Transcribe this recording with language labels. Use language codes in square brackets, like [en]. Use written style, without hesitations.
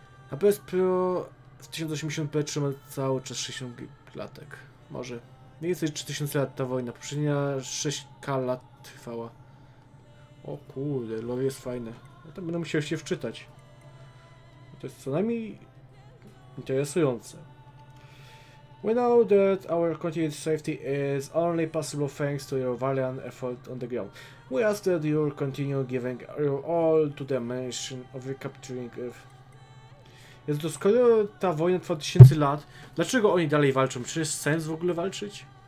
[pl] A PS Pro w 1080p trzyma cały czas 60 latek. Może. Mniej więcej 3000 lat ta wojna. Poprzednia 6k lat trwała. O kurde, lore jest fajne. Ja to będę musiał się wczytać. To jest co najmniej interesujące. [en] We know that our continued safety is only possible thanks to your valiant effort on the ground. We ask that you continue giving your all to the mission of recapturing Earth. [pl] Jest to, skoro ta wojna trwa tysięcy lat, dlaczego oni dalej walczą? Czy jest sens w ogóle walczyć?